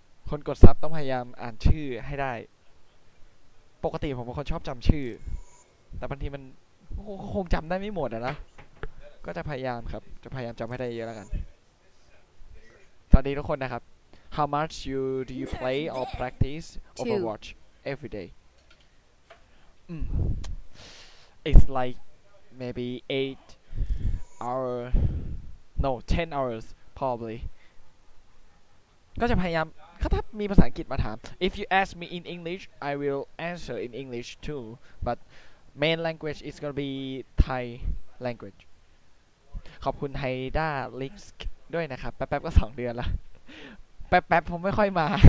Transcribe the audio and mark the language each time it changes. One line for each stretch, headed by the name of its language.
Thai: คนกดซับต้องพยายามอ่านชื่อให้ได้ปกติผมเป็นคนชอบจำชื่อแต่บางทีมันคงจำได้ไม่หมดอะนะก็จะพยายามครับจะพยายามจำให้ได้เยอะแล้วกันสวัสดีทุกคนนะครับ
English: How much do you play or practice Overwatch every day? It's like maybe 8 hours, no 10 hours probably.
Thai: ก็จะพยายามถ้ามีภาษาอังกฤษมาถาม
English: If you ask me in English, I will answer in English too. But main language is gonna be Thai language.
Thai: ขอบคุณไฮด้าลิกส์ด้วยนะครับแป๊บๆก็2 เดือนละแป๊บๆผมไม่ค่อยมา